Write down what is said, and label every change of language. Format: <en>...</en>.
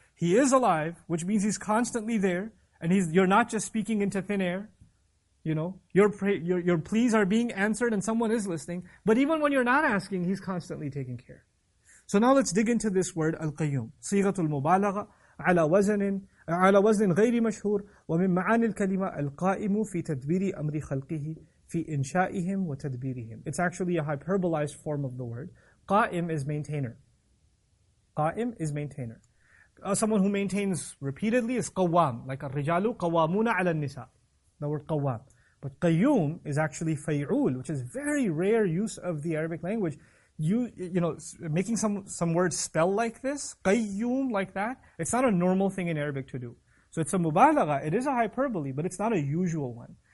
<en>He is alive, which means He's constantly there. And you're not just speaking into thin air. You know, your pleas are being answered and someone is listening. But even when you're not asking, He's constantly taking care. So now let's dig into this word, al-qayyum.</en> <ar>Sighatul mubalagha, ala wazanin. على وزن غير مشهور ومن معاني الكلمة القائم في تدبير أمر خلقه في إنشائهم وتدبيرهم.</ar> <en>It's actually a hyperbolized form of the word. قائم is maintainer. قائم is maintainer. Someone who maintains repeatedly is قوام. Like</en> <ar>الرجال قوامون على النساء.</ar> <en>The word قوام. But قيوم is actually فيعول, which is very rare use of the Arabic language. You know, making some words spell like this, qayyum like that, it's not a normal thing in Arabic to do. So it's a mubalagha, it is a hyperbole, but it's not a usual one.</en>